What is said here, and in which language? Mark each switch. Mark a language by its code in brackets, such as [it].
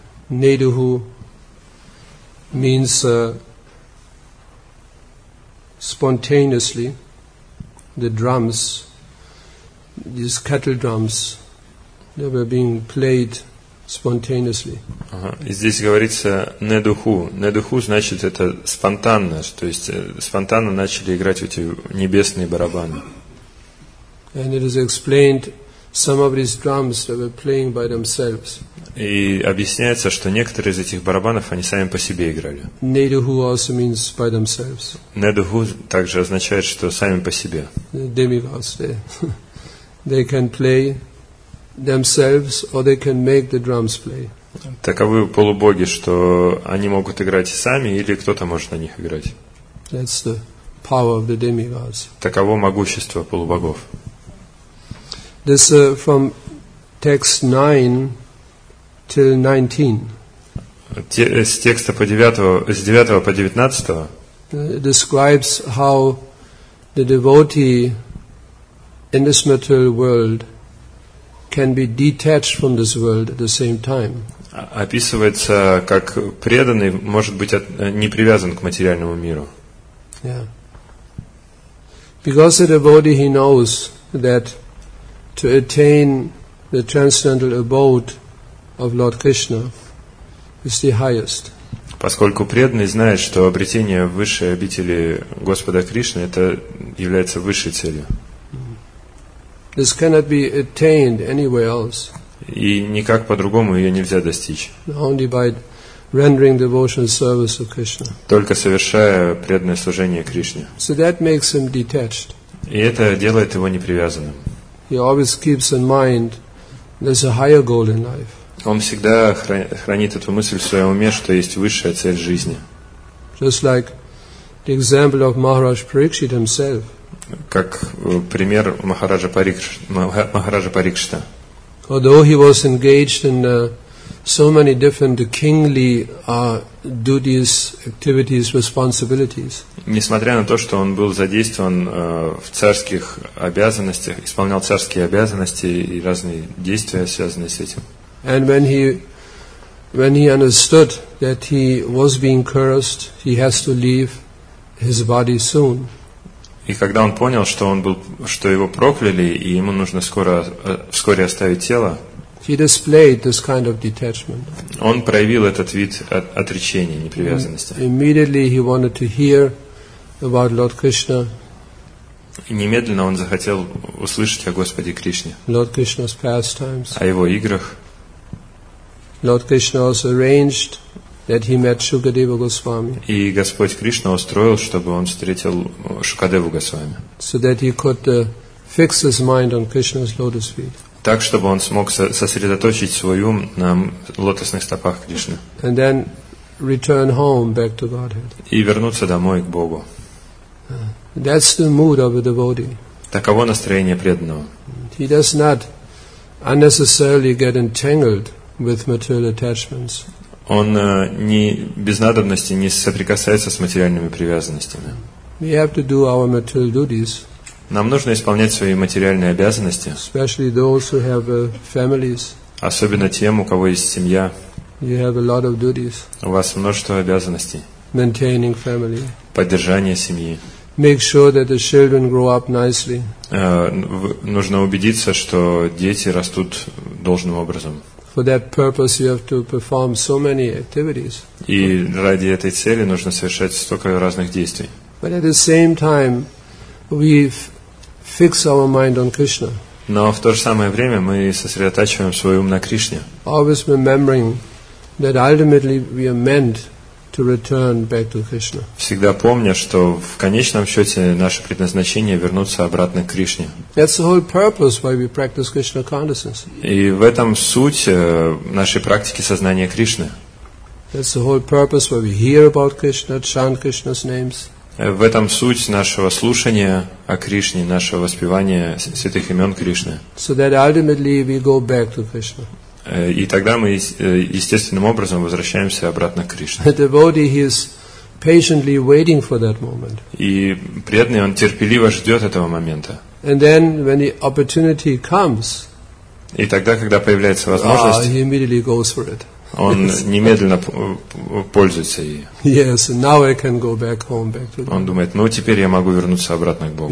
[en] Neduhu means spontaneously, the drums, these kettle drums, they were being played spontaneously. [ru] И здесь говорится недуху. Недуху значит это спонтанно, то есть спонтанно начали играть эти небесные барабаны. [en] And it is explained some of these drums they were playing by themselves. [ru] И объясняется, что некоторые из этих барабанов они сами по себе играли. [en] Недуху also means by themselves. [ru] Недуху также означает, что сами по себе. [en] The demigods, they can play themselves, or they can make the drums play. [ru] Таковы полубоги, что они могут играть сами, или кто-то может на них играть. [en] That's the power of the demigods. [ru] Таково могущество полубогов. [en] This from text 9 till 19. [ru] С текста по 9, с 9 по 19. [en] Describes how the devotee in this material world can be detached from this world at the same time. [ru] Описывается, как преданный может быть не привязан к материальному миру. [en] Yeah. Because the devotee, he knows that to attain the transcendental abode of Lord Krishna is the highest. [ru] Поскольку преданный знает, что обретение высшей обители Господа Кришны это является высшей целью. [en] This cannot be attained anywhere else. [ru] И никак по-другому ее нельзя достичь. [en] Only by rendering devotional service to Krishna. [ru] Только совершая преданное служение Кришне. [en] So that makes him detached. [ru] И это делает его непривязанным. [en] He always keeps in mind there's a higher goal in life. [ru] Он всегда хранит эту мысль в своем уме, что есть высшая цель жизни. [en] Just like the example of Maharaj Parikshit himself. [ru] Как пример Махараджа Парикшита. [en] Although he was engaged in so many different kingly duties, activities, responsibilities. [ru] Несмотря на то, что он был задействован в царских обязанностях, исполнял царские обязанности и разные действия, связанные с этим. [en] And when he understood that he was being cursed, he has to leave his body soon. [ru] И когда он понял, что он был, что его прокляли, и ему нужно вскоре оставить тело, [en] he displayed this kind of detachment. [ru] Он проявил этот вид отречения, непривязанности. [en] Immediately he wanted to hear about Lord Krishna. [ru] И немедленно он захотел услышать о Господе Кришне. [en] Lord Krishna's pastimes. [ru] О его играх. [en] Lord Krishna also arranged that he met Shukadeva Goswami. [ru] И Господь Кришна устроил, чтобы он встретил Шукадеву Госвами. [en] So that he could fix his mind on Krishna's lotus feet. [ru] Так, чтобы он смог сосредоточить свой ум на лотосных стопах Кришны. [en] And then return home back to Godhead. [ru] И вернуться домой к Богу. [en] That's the mood of a devotee. [ru] Таково настроение преданного. [en] He does not unnecessarily get entangled with material attachments. [ru] Он не без надобности не соприкасается с материальными привязанностями. [en] We have to do our material duties. [ru] Нам нужно исполнять свои материальные обязанности. [en] Especially those who have families. [ru] Особенно тем, у кого есть семья. [en] You have a lot of duties. [ru] У вас множество обязанностей. [en] Maintaining family. [ru] Поддержание семьи. [en] Make sure that the children grow up nicely. [ru] Нужно убедиться, что дети растут должным образом. [en] For that purpose, you have to perform so many activities. [ru] И ради этой цели нужно совершать столько разных действий. [en] But at the same time, we fix our mind on Krishna. [ru] Но в то же самое время мы сосредотачиваем свой ум на Кришне. [en] Always remembering that ultimately we are meant to return back to Krishna. [ru] Всегда помня, что в конечном счете наше предназначение вернуться обратно к Кришне. [en] That's the whole purpose why we practice Krishna consciousness. [ru] И в этом суть нашей практики сознания Кришны. [en] That's the whole purpose why we hear about Krishna, chant Krishna's names. [ru] В этом суть нашего слушания о Кришне, нашего воспевания святых имен Кришны. [en] So that ultimately we go back to Krishna. [ru] И тогда мы естественным образом возвращаемся обратно к Кришне. [en] The devotee, he is patiently waiting for that moment. [ru] И преданный, он терпеливо ждет этого момента. [en] And then, when the opportunity comes, [ru] и тогда, когда появляется возможность, [en] he immediately goes for it. [ru] Он немедленно пользуется ей. [en] Yes, now I can go back home, back to. [ru] Он думает, ну теперь я могу вернуться обратно к Богу.